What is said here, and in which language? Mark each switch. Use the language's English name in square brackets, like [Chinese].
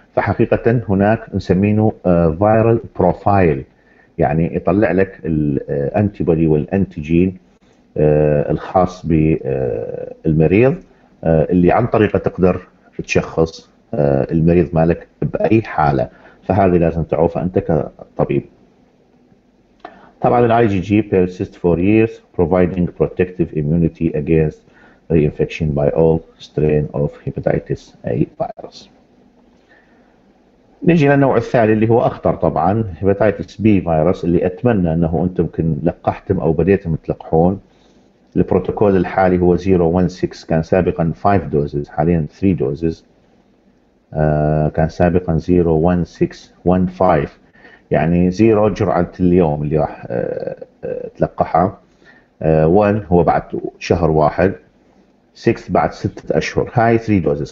[Arabic] فحقيقه هناك نسمينه فايرال بروفايل، يعني يطلع لك الانتيبادي والانتيجين الخاص بالمريض اللي عن طريقه تقدر تشخص المريض مالك باي حاله، فهذه لازم تعرفها انت كطبيب. طبعا الاي جي جي [English] persist for years providing protective immunity against reinfection by all strain of hepatitis A virus. [Arabic] نجي للنوع الثاني اللي هو أخطر طبعا، هيباتيتس بي فيروس، اللي أتمنى أنه أنتم كن لقحتم أو بديتم تلقحون. البروتوكول الحالي هو 016، كان سابقا 5 دوزز، حاليا 3 دوزز. كان سابقا 016 15، يعني 0 جرعة اليوم اللي راح تلقحها، 1 هو بعد شهر واحد، 6 بعد 6 أشهر، هاي 3 دوزز.